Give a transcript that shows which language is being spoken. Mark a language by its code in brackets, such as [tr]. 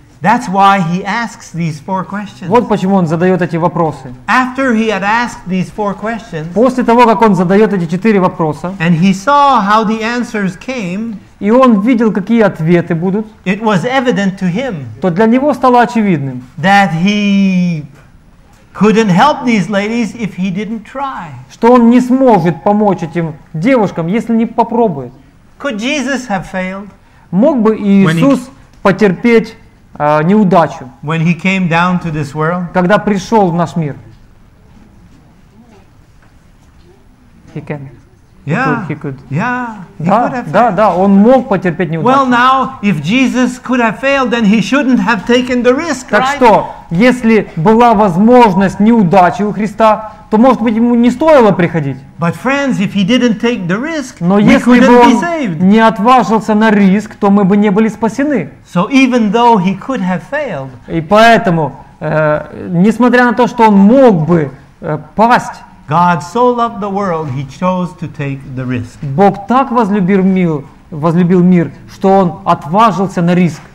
[en] That's why he asks these four questions. [ru] Вот почему он задает эти вопросы. [en] After he had asked these four questions, [ru] после того, как он задает эти четыре вопроса, [en] and he saw how the answers came, [ru] и он видел, какие ответы будут, [en] it was evident to him, [ru] то для него стало очевидным, [en] that he couldn't help these ladies if he didn't try. [ru] Что он не сможет помочь этим девушкам, если не попробует. [en] Could Jesus have failed? [ru] Мог бы Иисус потерпеть неудачу, [en] when he came down to this world, [ru] когда пришел в наш мир? [en] He can. He could. [ru] Он мог потерпеть неудачу. [en] Well, now, if Jesus could have failed, then he shouldn't have taken the risk, [ru] так [en] right? [ru] Так что, если была возможность неудачи у Христа, то, может быть, ему не стоило приходить. [en] But friends, if he didn't take the risk, [ru] но [en] we [ru] если [en] couldn't [ru] бы он [en] be saved. [ru] Не отважился на риск, то мы бы не были спасены. [en] So even though he could have failed, [ru] и поэтому, несмотря на то, что он мог бы пасть, [en] God so loved the world, he chose to take the risk. [ru] Бог так возлюбил мир, что он отважился на риск.